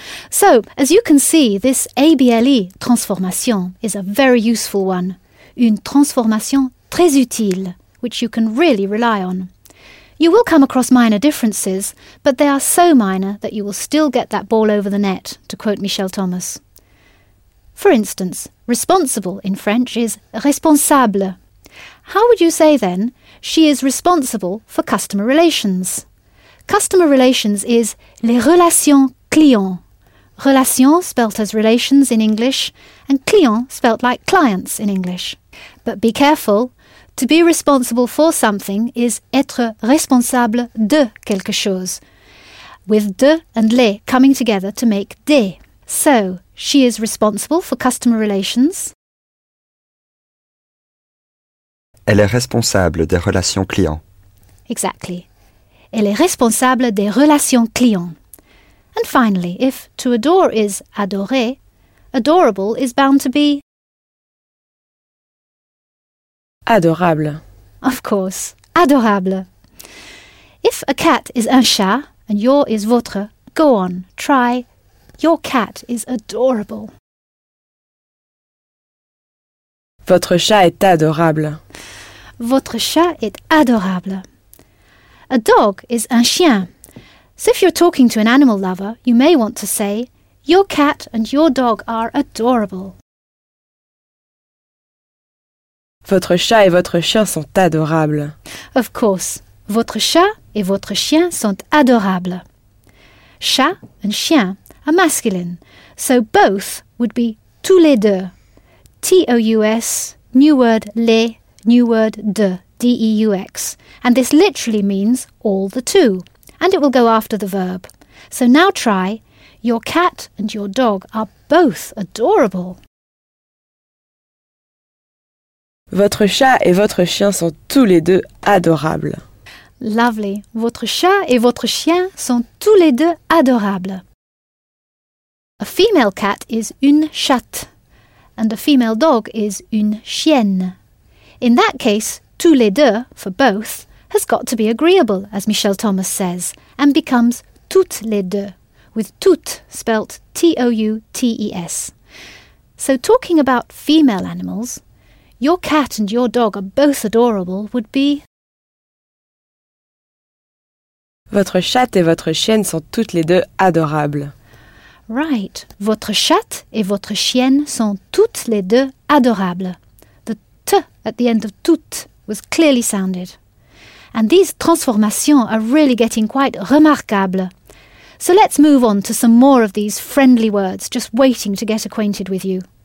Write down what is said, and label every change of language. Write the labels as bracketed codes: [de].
[en] So, as you can see, this ABLE, transformation, is a very useful one. [fr] Une transformation très utile, [en] which you can really rely on. You will come across minor differences, but they are so minor that you will still get that ball over the net, to quote Michel Thomas. For instance, responsible in French is responsable. How would you say then, she is responsible for customer relations? Customer relations is [fr] les relations clients. [en] Relations spelt as relations in English, and client spelt like clients in English. But be careful. To be responsible for something is [fr] être responsable de quelque chose, [en] with de and les coming together to make des. So, she is responsible for customer relations. [fr] Elle est responsable des relations clients. [en] Exactly. [fr] Elle est responsable des relations clients. [en] And finally, if to adore is adorer, adorable is bound to be [fr] adorable. [en] Of course, adorable. If a cat is [fr] un chat [en] and your is votre, go on, try. Your cat is adorable. [fr] Votre chat est adorable. Votre chat est adorable. [en] A dog is [fr] un chien. [en] So if you're talking to an animal lover, you may want to say, your cat and your dog are adorable. [fr] Votre chat et votre chien sont adorables. [en] Of course. [fr] Votre chat et votre chien sont adorables. [en] Chat and chien are masculine. So both would be [fr] tous les deux. [en] T-O-U-S, new word les, new word de, D-E-U-X. And this literally means all the two. And it will go after the verb. So now try. Your cat and your dog are both adorable. [fr] Votre chat et votre chien sont tous les deux adorables. [en] Lovely. [fr] Votre chat et votre chien sont tous les deux adorables. [en] A female cat is [fr] une chatte. [en] And a female dog is [fr] une chienne. [en] In that case, [fr] tous les deux, [en] for both, has got to be agreeable, as Michel Thomas says, and becomes [fr] toutes les deux, [en] with toutes spelt T-O-U-T-E-S. So talking about female animals, your cat and your dog are both adorable would be [fr] votre chatte et votre chienne sont toutes les deux adorables. [en] Right. [fr] Votre chatte et votre chienne sont toutes les deux adorables. [en] The T at the end of toutes was clearly sounded. And these transformations are really getting quite remarquable. So let's move on to some more of these friendly words just waiting to get acquainted with you.